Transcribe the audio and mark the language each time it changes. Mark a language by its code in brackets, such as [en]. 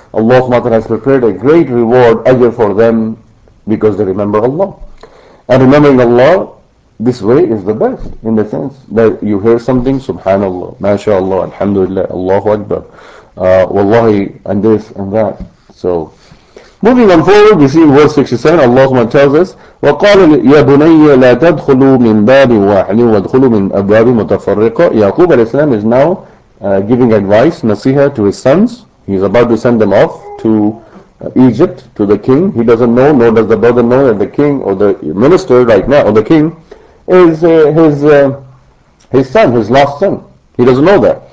[en] Allah subhanahu has prepared a great reward, ajr for them, because they remember Allah. And remembering Allah, this way is the best, in the sense that you hear something, subhanallah, mashallah, alhamdulillah, Allahu Akbar, wallahi, and this and that. So, moving on forward, we see verse 67, Allah tells us, [ar] وَقَالَ يَا بُنَيَّ لَا تَدْخُلُوا مِنْ بَابٍ وَاحْلٍ وَادْخُلُوا مِنْ أَبْوَابٍ مُتَفَرِّقَ. [en] Yaqub al-Islam is now giving advice, nasiha, to his sons. He's about to send them off to Egypt, to the king. He doesn't know, nor does the brother know, that the king or the minister right now, or the king, is his son, his lost son. He doesn't know that.